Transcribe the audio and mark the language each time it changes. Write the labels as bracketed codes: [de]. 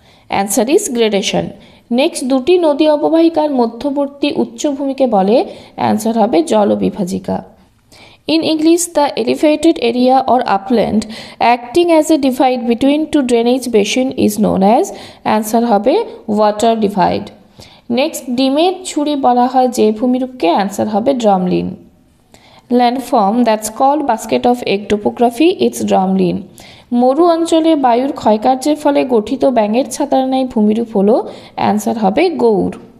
[en] answer is gradation next [bn] দুটি নদী অববাহিকার মধ্যবর্তী উচ্চভূমিকে বলে অ্যান্সার হবে জলবিভাজিকা [en] In English, the elevated area or upland acting as a divide between two drainage basin is known as answer হবে water divide. Next, [bn] ডিমের ছুরি বলা হয় যে ভূমিরূপকে answer হবে drumlin. [en] Landform that's called basket of egg topography is drumlin. [bn] মরু অঞ্চলে বায়ুর ক্ষয়কার্যের ফলে গঠিত ব্যাঙের ছাতার ন্যায় ভূমিরূপ হল answer হবে গৌর.